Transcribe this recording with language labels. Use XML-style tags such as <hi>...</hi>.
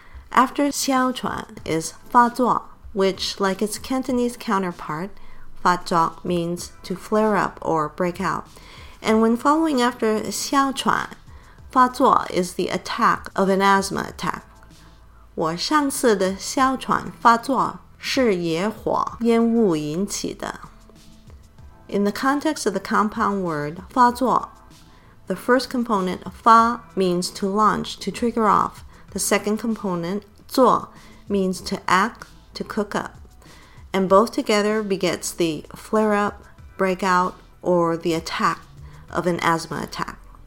<en>After 哮喘 is 发作, which like its Cantonese counterpart, 发作 means to flare up or break out. And when following after 哮喘, 发作 is the attack of an asthma attack.</en> <zh>我上次的哮喘发作是野火烟雾引起的。</zh> <en>In the context of the compound word 发作, the first component 发 means to launch, to trigger off. The second component 做 means to act, to cook up. And both together begets the flare up, break out, or the attack of an asthma attack.</en>